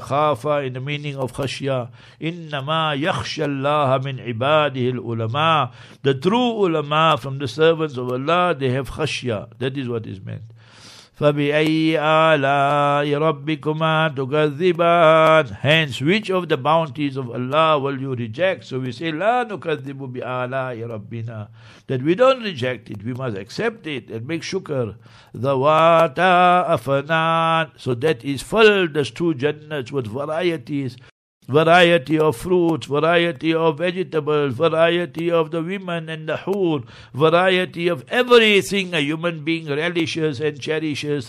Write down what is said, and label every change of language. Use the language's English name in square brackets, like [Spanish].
[English] Khafa in the meaning of khashya. [Arabic] Innama yakhsha Allah min ibadihi al-ulama. [English] The true ulama from the servants of Allah, they have khashya. That is what is meant. [Arabic] فَبِأَيِّ آلَاءِ رَبِّكُمَا تُكَذِّبَانِ. [English] Hence, which of the bounties of Allah will you reject? So we say, [Arabic] لَا نُكَذِّبُ بِآلَاءِ رَبِّنَا. [English] That we don't reject it, we must accept it and make shukr. [Arabic] ذَوَاتَ أَفْنَانِ. [English] So that is filled, those two jannats, with varieties. variety of fruits, variety of vegetables, variety of the women and the hoor, variety of everything a human being relishes and cherishes.